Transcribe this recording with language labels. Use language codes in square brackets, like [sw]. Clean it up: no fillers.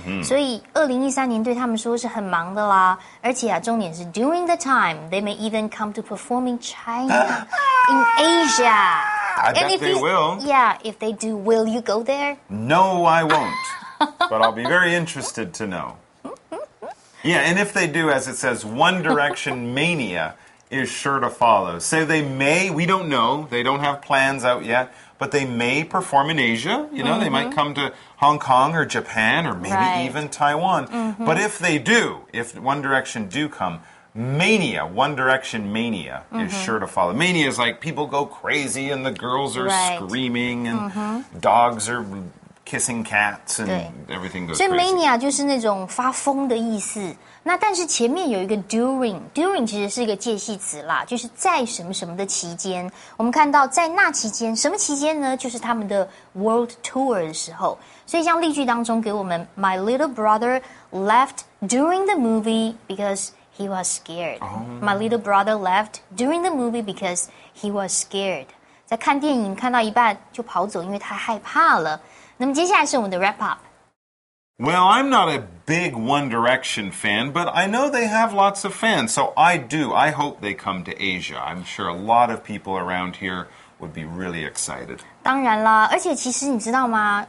[zh] 所以2013年对他们说是很忙的啦。而且啊，重点是 [en] during the time, they may even come to perform in China, in Asia. I bet they will. Yeah, if they do, will you go there? No, I won't. But I'll be very interested to know. Yeah, and if they do, as it says, One Direction mania is sure to follow. Say they may, we don't know, they don't have plans out yet, but they may perform in Asia. You know, they might come to Hong Kong or Japan or maybe even Taiwan. But if they do, if One Direction do come, mania, One Direction mania is sure to follow. Mania is like people go crazy and the girls are screaming and dogs are... Kissing cats and everything goes crazy. [zh] So mania 就是那种发疯的意思。那但是前面有一个 during, [en] during 其实是一个介系词啦， [zh] 就是在什么什么的期间。我们看到在那期间，什么期间呢？就是他们的 world tour 的时候。所以像例句当中给我们 [en] ，My little brother left during the movie because he was scared.、My little brother left during the movie because he was scared. [zh] 在看电影看到一半就跑走，因为他害怕了。那么接下来是我们的 wrap up. [en] Well, I'm not a big One Direction fan, but I know they have lots of fans, so I do. I hope they come to Asia. I'm sure a lot of people around here would be really excited. [zh] 当然啦，而且其实你知道吗？